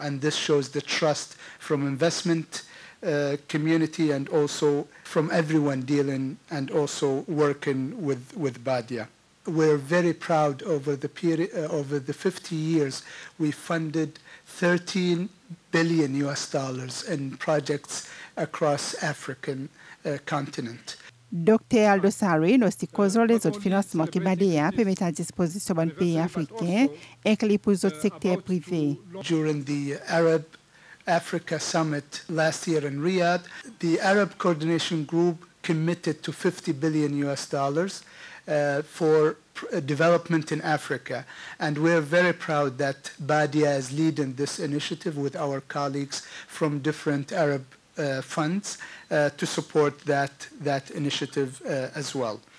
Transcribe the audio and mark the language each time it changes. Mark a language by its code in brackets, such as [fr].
[en] And this shows the trust from investment community and also from everyone dealing and also working with Badia. We're very proud over the period, over the 50 years, we funded 13 billion US dollars in projects across African continent. Dr. [fr] Aldo Sari nous dit que les autres financements qui Badia permet à disposition des pays africains, inclus pour les autres secteurs privés. [en] During the Arab Africa Summit last year in Riyadh, the Arab Coordination Group committed to 50 billion US dollars for development in Africa, and we're very proud that Badia is leading this initiative with our colleagues from different Arab funds to support that initiative as well.